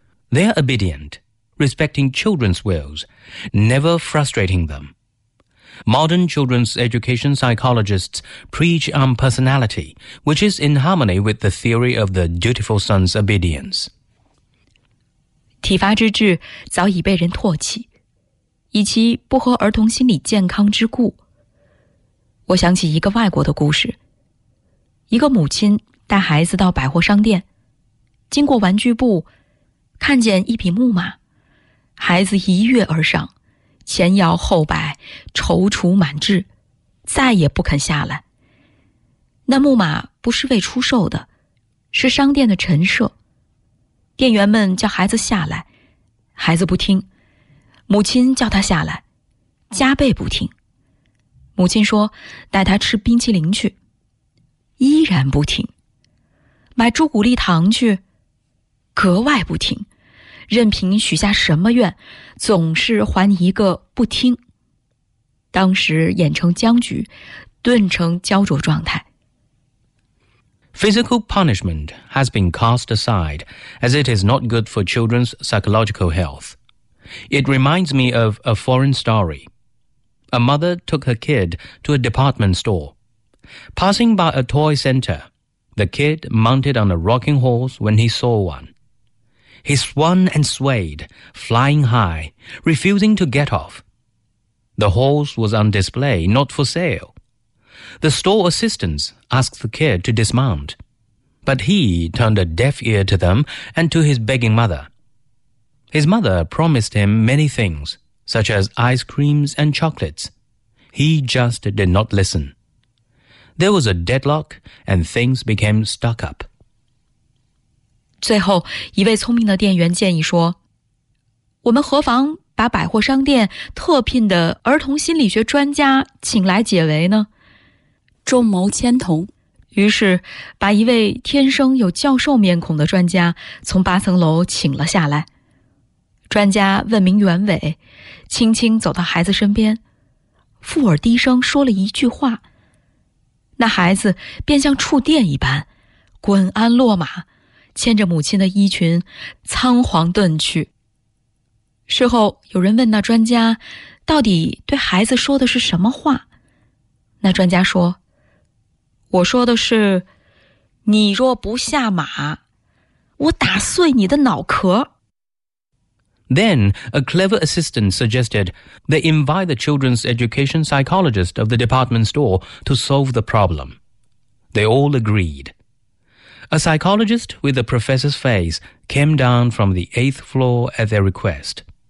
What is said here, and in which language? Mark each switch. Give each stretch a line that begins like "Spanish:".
English: They are obedient, respecting children's wills, never frustrating them. Modern children's education psychologists preach on personality, which is in harmony with the theory of the dutiful son's obedience.
Chinese: 体罚之志早已被人唾弃，以其不合儿童心理健康之故。我想起一个外国的故事，一个母亲带孩子到百货商店，经过玩具部，看见一匹木马，孩子一跃而上，前摇后摆，踌躇满志，再也不肯下来。那木马不是为出售的，是商店的陈设。店员们叫孩子下来，孩子不听，母亲叫他下来，加倍不听。母亲说带他吃冰淇淋去，依然不听。买朱古力糖去，格外不听，任凭许下什么愿，总是还你一个不听。当时眼成僵局，顿成焦灼状态。
English: Physical punishment has been cast aside as it is not good for children's psychological health. It reminds me of a foreign story. A mother took her kid to a department store. Passing by a toy center, the kid mounted on a rocking horse when he saw one. He swung and swayed, flying high, refusing to get off. The horse was on display, not for sale. The store assistants asked the kid to dismount, but he turned a deaf ear to them and to his begging mother. His mother promised him many things, such as ice creams and chocolates. He just did not listen. There was a deadlock, and things became stuck up.
Chinese: 最后，一位聪明的店员建议说，我们何妨把百货商店特聘的儿童心理学专家请来解围呢？众谋千同，于是把一位天生有教授面孔的专家从八层楼请了下来。专家问明原委，轻轻走到孩子身边，附耳低声说了一句话，那孩子便像触电一般滚鞍落马，牵着母亲的衣裙仓皇遁去。事后有人问那专家到底对孩子说的是什么话，那专家说，我说的是，你若不下马，我打碎你的脑壳。
English: Then, a clever assistant suggested they invite the children's education psychologist of the department store to solve the problem. They all agreed. A psychologist with the professor's face came down from the eighth floor at their request.